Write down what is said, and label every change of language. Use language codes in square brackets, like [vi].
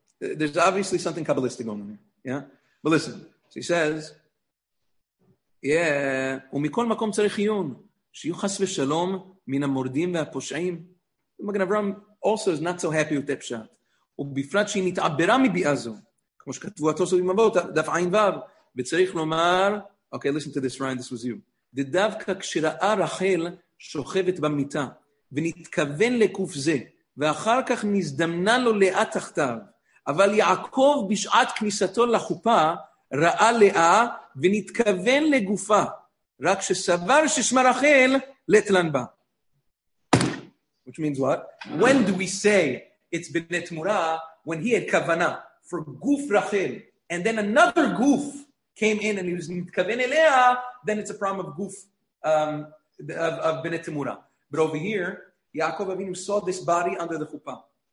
[en] There's obviously something Kabbalistic going on here. Yeah? But listen. So he says, yeah, [he] ומכל מקום צריך עיון, שיהיו חס ושלום מן המורדים והפושעים. [en] מגן אברהם also is not so happy with that פשט. [he] ובפרט שהיא נתעברה מביאה זו, כמו שכתבו התוספות במבואות, דף עין וב, וצריך לומר, [en] okay, listen to this, Ryan, this was you. [he] דווקא כשראה רחל שוכבת במיטה, ונתכוון לקוף זה, ואחר כך נזדמנה לו לאה תחתיו, אבל יעקב בשעת כניסתו לחופה, ראה לאה ונתכוון לגופה, רק שסבר ששמה רחל, לטלנבה. [en] Which means what? When do we say it's בנתמורה, when he had כוונה for גוף רחל, and then another גוף came in and he was נתכוון אליה, then it's a problem of גוף, of בנתמורה. But over here, Yaakov Avinu saw this body under the chuppah.